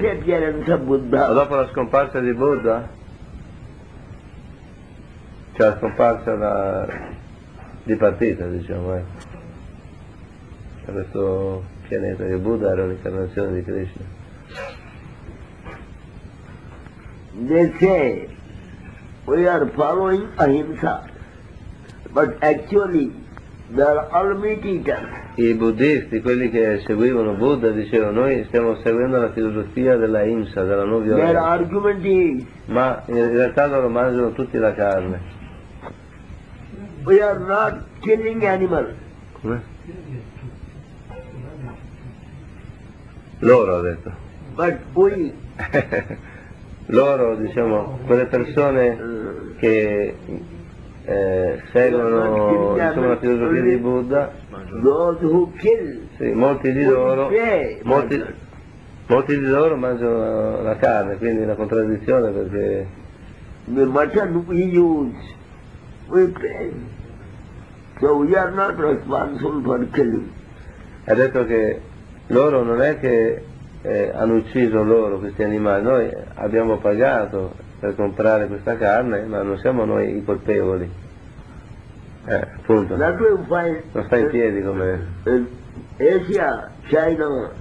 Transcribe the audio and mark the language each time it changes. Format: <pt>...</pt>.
<it>Ma dopo la scomparsa di Buddha, cioè la scomparsa di partita, diciamo, da questo pianeta, che Buddha era un'incarnazione di Krishna.</it> <en>They say we are following Ahimsa, but actually they are all meat eaters.</en> <it>I buddhisti, quelli che seguivano Buddha, dicevano noi stiamo seguendo la filosofia della Ahimsa, della non violenza.</it> <en>Their argument is,</en> <it>ma in realtà loro mangiano tutti la carne.</it> <en>We are not killing animals.</en> <it>Come? Loro ha detto.</it> <en>But we</en> <it>loro, diciamo, quelle persone che seguono diciamo, la filosofia di Buddha,</it> <en>those who kill,</en> <it>sì, molti di loro molti di loro mangiano la carne, quindi è una contraddizione, perché</it> <en>the mutton we use we pay, so we are not responsible for killing.</en> <it>Ha detto che loro non è che hanno ucciso loro questi animali, noi abbiamo pagato per comprare questa carne, ma non siamo noi i colpevoli. Punto. Non sta in piedi come</it> <en>Asia, China,</en>